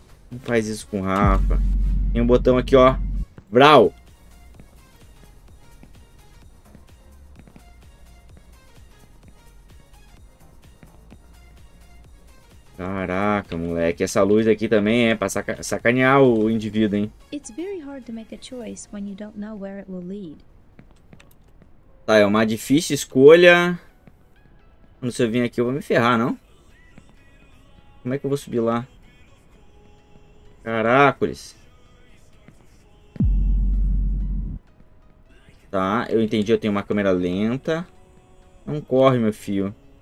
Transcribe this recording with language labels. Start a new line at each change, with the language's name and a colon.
Portuguese: Não faz isso com o Rafa. Tem um botão aqui, ó. Brawl. Caraca, moleque. Essa luz aqui também é pra sacanear o indivíduo, hein?
English: It's very hard to make a choice when you don't know where it will lead.
Portuguese: Tá, é uma difícil escolha. Quando se eu vir aqui, eu vou me ferrar, não? Como é que eu vou subir lá? Caracoles. Tá, eu entendi. Eu tenho uma câmera lenta. Não corre, meu filho.